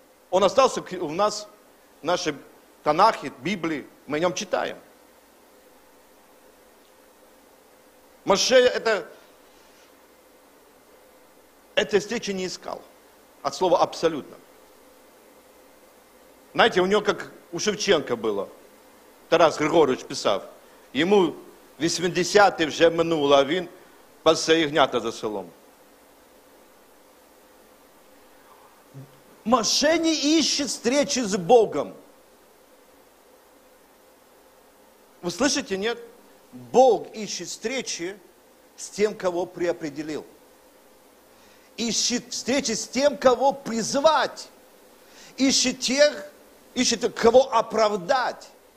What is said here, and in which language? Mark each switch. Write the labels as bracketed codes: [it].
[ru] Он остался у нас, в нашей Танахе, Библии, мы о нем читаем. Моше это встречи не искал. От слова абсолютно. Знаете, у него как у Шевченко было. [uk] Тарас Григорович писав. Ему 80-е вже минуло, а він пасе ягнята за селом. [ru] Моше не ищет встречи с Богом. Вы слышите, нет? Бог ищет встречи с тем, кого преопределил. Ищет встречи с тем, кого призвать. Ищет кого оправдать.